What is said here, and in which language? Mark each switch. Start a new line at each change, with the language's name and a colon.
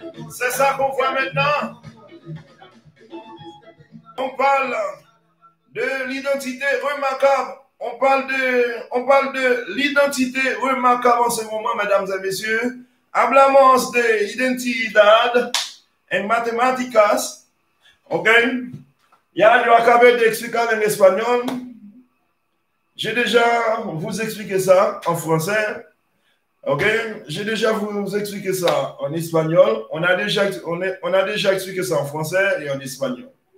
French: C'est ça qu'on voit maintenant. On parle de l'identité remarquable. On parle de l'identité remarquable en ce moment, mesdames et messieurs.
Spanish: Hablamos de identidad en matemáticas. Ok? Ya yo acabé
French: d'expliquer en espagnol. J'ai déjà vous expliqué ça en français. Ok? J'ai déjà vous expliqué ça en espagnol. On a déjà expliqué ça en français et en espagnol.